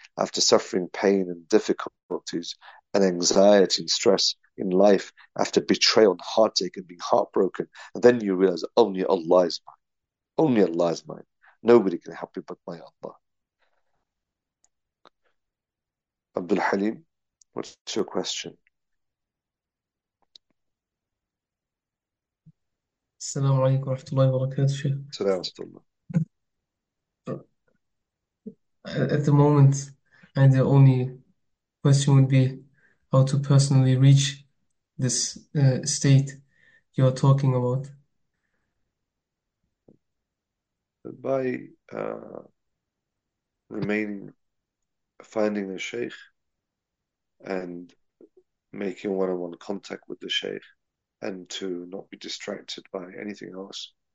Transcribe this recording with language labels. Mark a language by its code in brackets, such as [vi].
[en] After suffering pain and difficulties and anxiety and stress in life, after betrayal and heartache and being heartbroken, and then you realize only Allah is mine. Only Allah is mine. Nobody can help you but my Allah. Abdul Halim, what's your question? [ar] السلام عليكم ورحمة الله وبركاته شيخ. السلام ورحمة الله. [en] At the moment, and the only question would be how to personally reach this state you are talking about. By remaining, finding a sheikh, and making one-on-one contact with the Shaykh, and to not be distracted by anything else,